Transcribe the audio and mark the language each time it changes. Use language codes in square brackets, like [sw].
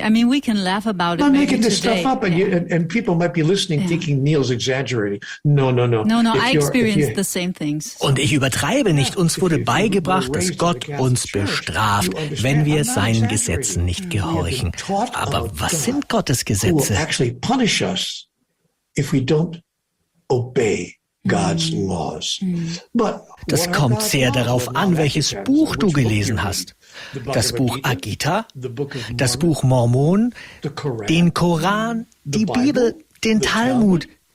[en] I mean, we can laugh about it. I'm making this stuff up, and people might be listening, thinking Neil's exaggerating. No. I experienced the same things. [de] Und ich übertreibe nicht. Uns wurde beigebracht, dass Gott uns bestraft, wenn wir seinen Gesetzen nicht gehorchen. Aber was sind Gottes Gesetze? [en] Who will actually punish us if we don't obey God's laws? But [de] das kommt sehr darauf an, welches Buch du gelesen hast. Das Buch Agita, das Buch Mormon, den Koran, die Bibel, den Talmud.